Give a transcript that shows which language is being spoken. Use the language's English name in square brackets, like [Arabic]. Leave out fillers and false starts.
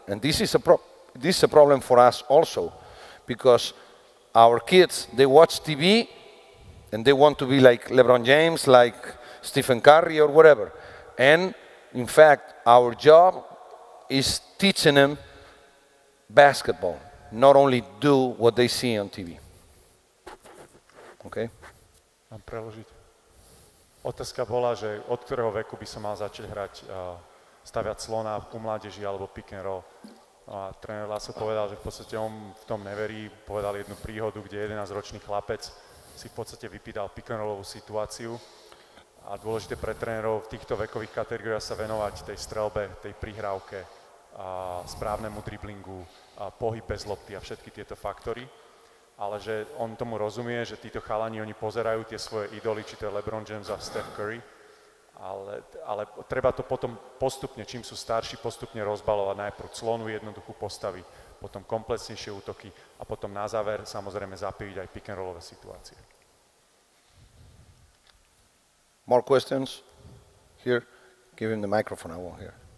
[English] And this is a problem for us also, because our kids, they watch TV and they want to be like LeBron James, like Stephen Curry or whatever. And in fact, our job is teaching them basketball, not only do what they see on TV. Okay. [Slovak] Mám preložiť. Otázka bola, že od ktorého veku by som mal začať hrať staviať slona u mládeži alebo pick and roll. A tréner Laso povedal, že v podstate on v tom neverí. Povedal jednu príhodu, kde 11-ročný chlapec si v podstate vypýtal pick and rollovú situáciu. A dôležité pre trénerov v týchto vekových kategóriách sa venovať tej strelbe, tej prihrávke, správnemu driblingu, pohybe z lopty a všetky tieto faktory. Ale že on tomu rozumie, že títo chalani, oni pozerajú tie svoje idoly, či to je LeBron James a Steph Curry, ale treba to potom postupne, čím sú starší, postupne rozbalovať najprv clonu jednoduchú postavy, potom komplexnejšie útoky a potom na záver samozrejme zapíjiť aj pick and rollové situácie. [English] More questions? Here, give him the microphone, I won't hear.